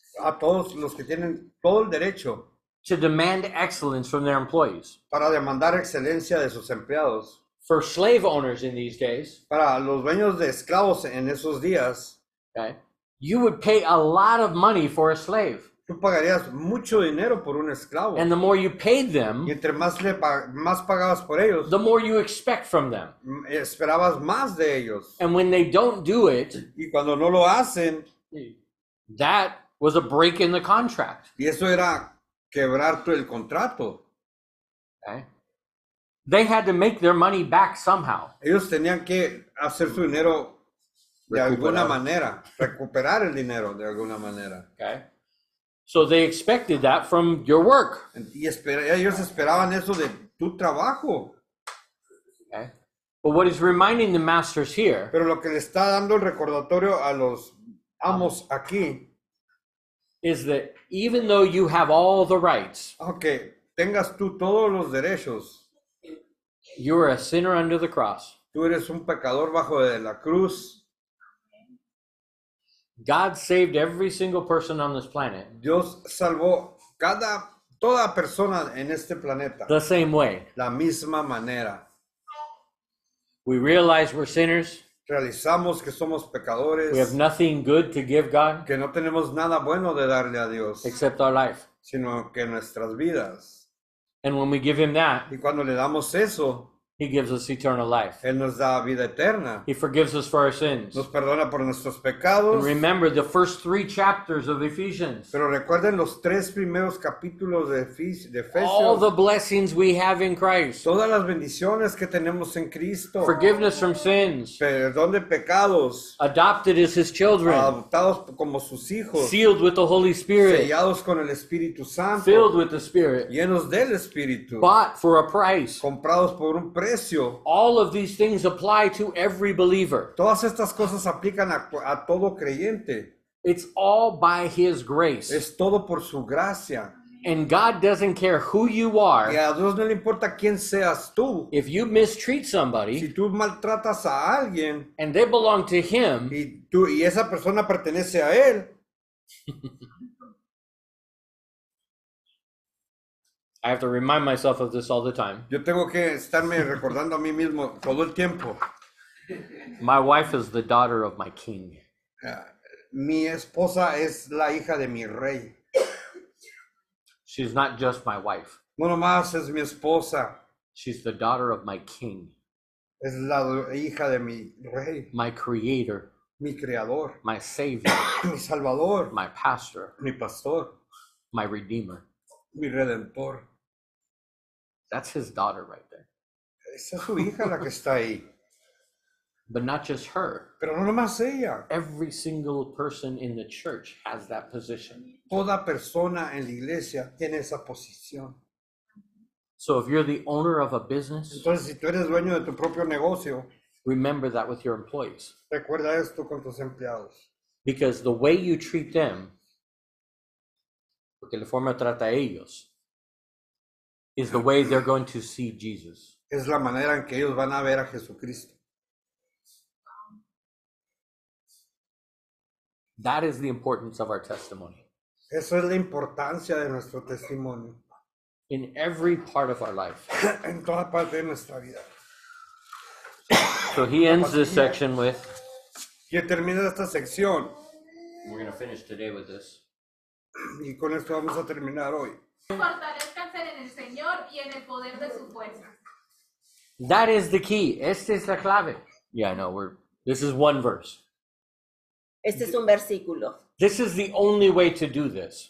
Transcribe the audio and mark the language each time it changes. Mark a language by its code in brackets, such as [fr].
[es] a todos los que tienen todo el derecho, [en] to demand excellence from their employees, [es] para demandar excelencia de sus empleados. [en] For slave owners in these days, [es] para los dueños de esclavos en esos días, [en] okay, you would pay a lot of money for a slave. [es] Tú pagarías mucho dinero por un esclavo. [en] And the more you paid them, [es] y entre más le más pagabas por ellos, [en] the more you expect from them. [es] Esperabas más de ellos. [en] And when they don't do it, [es] y cuando no lo hacen, [en] that was a break in the contract. [es] Y eso era quebrar todo el contrato. [en] Okay. They had to make their money back somehow. [es] Ellos tenían que hacer su dinero de alguna manera, recuperar el dinero de alguna manera. [en] Okay. So they expected that from your work. [es] Y ellos esperaban eso de tu trabajo. [en] Okay. But what is reminding the masters here? [es] Pero lo que le está dando el recordatorio a los amos aquí [en] is that even though you have all the rights, [es] okay, tengas tú todos los derechos, [en] you are a sinner under the cross. [es] Tú eres un pecador bajo de la cruz. [en] God saved every single person on this planet. [es] Dios salvó toda persona en este planeta. [en] The same way. [es] La misma manera. [en] We realize we're sinners. [es] Realizamos que somos pecadores. [en] We have nothing good to give God. [es] Que no tenemos nada bueno de darle a Dios. [en] Except our life. [es] Sino que nuestras vidas. [en] And when we give Him that, [es] y cuando le damos eso, [en] He gives us eternal life. [es] Él nos da vida eterna. [en] He forgives us for our sins. [es] Nos perdona por nuestros pecados. [en] And remember the first three chapters of Ephesians. [es] Pero recuerden los tres primeros capítulos de Efesios. [en] All the blessings we have in Christ. [es] Todas las bendiciones que tenemos en Cristo. [en] Forgiveness from sins. [es] Perdón de pecados. [en] Adopted as His children. [es] Adoptados como sus hijos. [en] Sealed with the Holy Spirit. [es] Sellados con el Espíritu Santo. [en] Filled with the Spirit. [es] Llenos del Espíritu. [en] Bought for a price. [es] Comprados por un precio. [en] All of these things apply to every believer. [es] Todas estas cosas aplican a todo creyente. [en] It's all by His grace. [es] Es todo por su gracia. [en] And God doesn't care who you are. [es] Y a Dios no le importa quién seas tú. [en] If you mistreat somebody, [es] si tú maltratas a alguien, [en] and they belong to Him, [es] y esa persona pertenece a Él. [en] I have to remind myself of this all the time. [es] Yo tengo que estarme recordando a mí mismo todo el tiempo. [en] My wife is the daughter of my king. [es] Mi esposa es la hija de mi rey. [en] She's not just my wife. [es] No nomás es mi esposa. [en] She's the daughter of my king. [es] Es la hija de mi rey. [en] My creator. [es] Mi creador. [en] My savior. [es] Mi salvador. [en] My pastor. [es] Mi pastor. [en] My redeemer. [es] Mi redentor. [en] That's his daughter right there. [es] Esa es su hija la que está ahí. [en] But not just her. [es] Pero no nomás ella. [en] Every single person in the church has that position. [es] Toda persona en la iglesia tiene esa posición. [en] So if you're the owner of a business, [es] entonces si tú eres dueño de tu propio negocio, [en] remember that with your employees. [es] Recuerda esto con tus empleados. [en] Because the way you treat them, [es] porque la forma trata a ellos, [en] is the way they're going to see Jesus. [es] Es la manera en que ellos van a ver a Jesucristo. [en] That is the importance of our testimony. [es] Eso es la importancia de nuestro testimonio. [en] In every part of our life. [es] En toda parte de nuestra vida. [en] So he ends this section with. [es] Y termina esta sección. [en] We're going to finish today with this. [es] Y con esto vamos a terminar hoy. Fortalezcanse en el Señor y en el poder de su fuerza. [en] That is the key. [es] Esta es la clave. [en] Yeah, I know. We're This is one verse. [es] Este es un versículo. [en] This is the only way to do this.